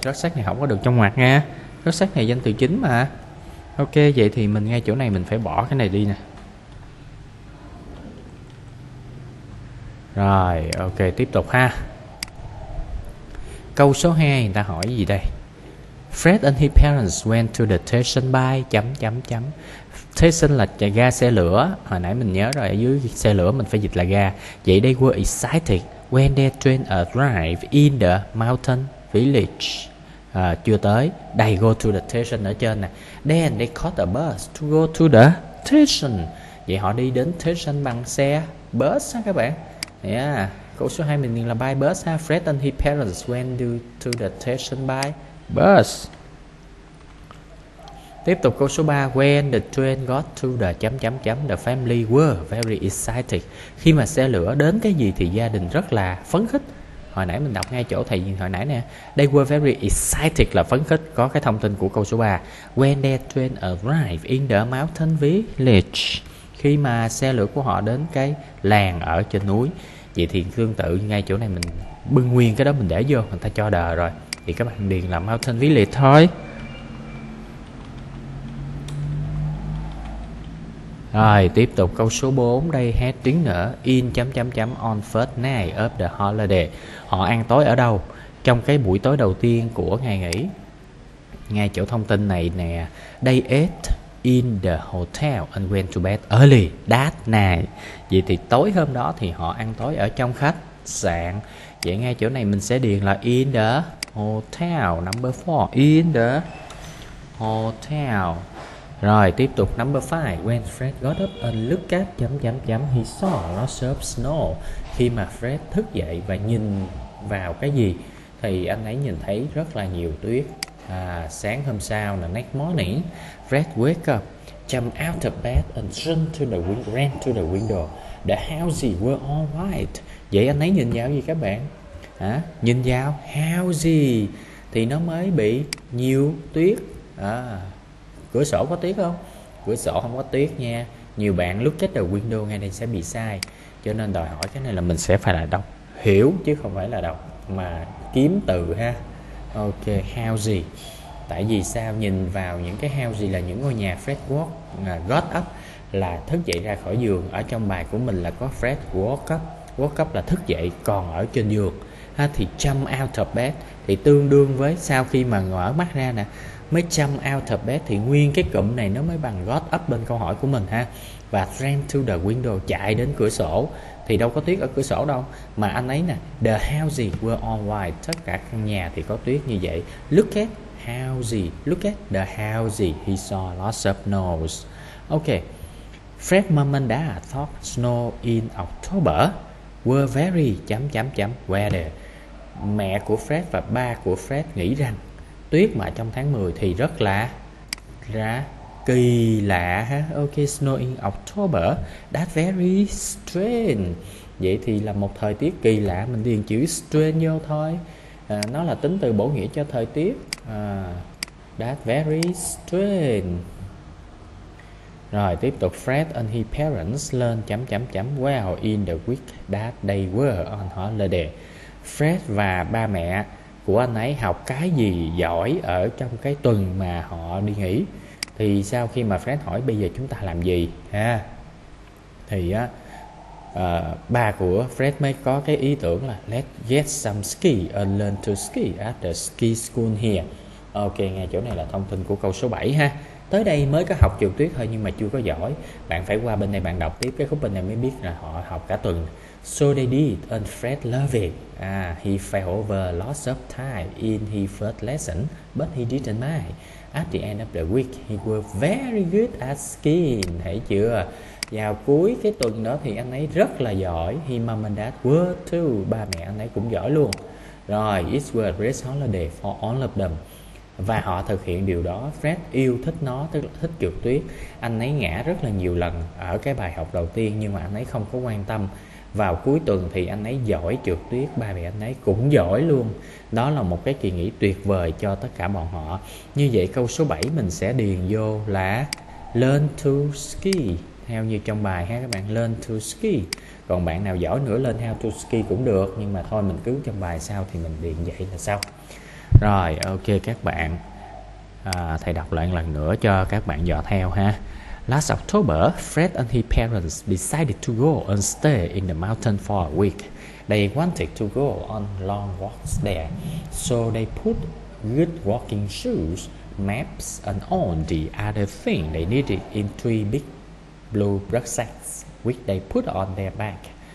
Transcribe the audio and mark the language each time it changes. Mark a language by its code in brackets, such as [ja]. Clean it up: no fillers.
[vi] Rucksack này không có được trong ngoặc nha, rucksack này danh từ chính mà. Ok, vậy thì mình ngay chỗ này mình phải bỏ cái này đi nè. Rồi, ok, tiếp tục ha. Câu số 2 người ta hỏi gì đây? [en] Fred and his parents went to the station by [vi] chấm chấm chấm. Station là ga xe lửa. Hồi nãy mình nhớ rồi, ở dưới xe lửa mình phải dịch là ga. [en] Vậy they were excited when their train arrived in the mountain village. [vi] À, chưa tới, [en] they go to the station [vi] ở trên nè. [en] Then they caught a bus to go to the station. [vi] Vậy họ đi đến station bằng xe bus ha các bạn. Yeah, câu số 2 mình là by bus ha. [en] Fred and his parents went to the station by bus. Tiếp tục câu số 3, when the train got to the [vi] chấm chấm chấm, [en] the family were very excited. [vi] Khi mà xe lửa đến cái gì thì gia đình rất là phấn khích. Hồi nãy mình đọc ngay chỗ thầy hồi nãy nè. [en] They were very excited [vi] là phấn khích. Có cái thông tin của câu số 3, [en] when the train arrived in the mountain village. [vi] Khi mà xe lửa của họ đến cái làng ở trên núi. Vậy thì tương tự ngay chỗ này mình bưng nguyên cái đó mình để vô, người ta cho đờ rồi. Thì các bạn điền là mountain village thôi. Rồi, tiếp tục câu số 4 đây. [en] Had dinner in chấm chấm chấm on first night of the holiday. [vi] Họ ăn tối ở đâu? Trong cái buổi tối đầu tiên của ngày nghỉ. Ngay chỗ thông tin này nè. [en] They ate in the hotel and went to bed early that night. [vi] Vậy thì tối hôm đó thì họ ăn tối ở trong khách sạn. Vậy ngay chỗ này mình sẽ điền là [en] in the hotel, number 4. In the hotel. [vi] Rồi, tiếp tục [en] number 5. When Fred got up and looked at [vi] chấm chấm chấm, [en] he saw lots of snow. [vi] Khi mà Fred thức dậy và nhìn vào cái gì thì anh ấy nhìn thấy rất là nhiều tuyết. À, sáng hôm sau là [en] next morning, Fred wake up, jump out of bed and run to the window, ran to the window. The houses were all white. [vi] Vậy anh ấy nhìn vào gì các bạn? Hả? Nhìn vào houses thì nó mới bị nhiều tuyết. À, cửa sổ có tuyết không? Cửa sổ không có tuyết nha. Nhiều bạn [en] look at the window [vi] nghe này sẽ bị sai. Cho nên đòi hỏi cái này là mình sẽ phải là đọc hiểu chứ không phải là đọc mà kiếm từ ha. Ok, houses. Tại vì sao nhìn vào những cái houses là những ngôi nhà. [en] Fred walk, got up [vi] là thức dậy ra khỏi giường. Ở trong bài của mình là có [en] Fred walk up. [vi] Walk up là thức dậy còn ở trên giường ha. Thì [en] jump out of bed [vi] thì tương đương với sau khi mà mở mắt ra nè. Mới [en] jump out of bed [vi] thì nguyên cái cụm này nó mới bằng got up bên câu hỏi của mình ha. Và [en] ran to the window, [vi] chạy đến cửa sổ. Thì đâu có tuyết ở cửa sổ đâu. Mà anh ấy nè, [en] the houses were all white. [vi] Tất cả căn nhà thì có tuyết như vậy. [en] Look at houses, look at the houses, he saw lots of snow. Ok, Fred mom and dad thought snow in October were very [vi] chấm chấm chấm [en] weather. [vi] Mẹ của Fred và ba của Fred nghĩ rằng tuyết mà trong tháng 10 thì rất là ra kỳ lạ ha. [en] Ok, snow in October, that's very strange. [vi] Vậy thì là một thời tiết kỳ lạ, mình điền chữ strange vô thôi. À, nó là tính từ bổ nghĩa cho thời tiết. [en] À, that's very strange. [vi] Rồi, tiếp tục [en] Fred and his parents learn [vi] chấm chấm chấm [en] well in the week that they were on holiday. [vi] Fred và ba mẹ của anh ấy học cái gì giỏi ở trong cái tuần mà họ đi nghỉ. Thì sau khi mà Fred hỏi bây giờ chúng ta làm gì ha, thì ba của Fred mới có cái ý tưởng là [en] let's get some ski and learn to ski at the ski school here. [vi] Ok, ngay chỗ này là thông tin của câu số 7 ha. Tới đây mới có học trượt tuyết thôi nhưng mà chưa có giỏi. Bạn phải qua bên này bạn đọc tiếp cái khúc bên này mới biết là họ học cả tuần. [en] So they did and Fred loved it. He fell over lots of time in his first lesson, but he didn't mind. At the end of the week, he was very good at skiing. [vi] Thấy chưa? Vào cuối cái tuần đó thì anh ấy rất là giỏi. [en] He mom and dad were too. [vi] Ba mẹ anh ấy cũng giỏi luôn. Rồi, [en] it was a great holiday for all of them. [vi] Và họ thực hiện điều đó. Fred yêu thích nó, tức là thích trượt tuyết. Anh ấy ngã rất là nhiều lần ở cái bài học đầu tiên nhưng mà anh ấy không có quan tâm. Vào cuối tuần thì anh ấy giỏi trượt tuyết, ba mẹ anh ấy cũng giỏi luôn. Đó là một cái kỳ nghỉ tuyệt vời cho tất cả bọn họ. Như vậy câu số 7 mình sẽ điền vô là [en] learn to ski. [vi] Theo như trong bài ha các bạn, [en] learn to ski. [vi] Còn bạn nào giỏi nữa lên [en] how to ski [vi] cũng được. Nhưng mà thôi mình cứ trong bài sau thì mình điền vậy là sao. Rồi, ok các bạn. Thầy đọc lại lần nữa cho các bạn dò theo ha. [en] Last October, Fred and his parents decided to go and stay in the mountain for a week. They wanted to go on long walks there, so they put good walking shoes, maps, and all the other things they needed in three big blue rucksacks, which they put on their back.